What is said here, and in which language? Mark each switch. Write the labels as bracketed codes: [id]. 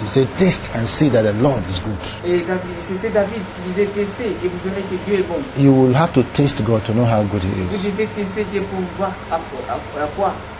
[en] He said, taste and see that the Lord is good. [fr] C'était David qui disait, testez et vous verrez que Dieu est bon. [en] You will have to taste God to know how good he is. [fr] Vous devez tester Dieu pour voir à quoi.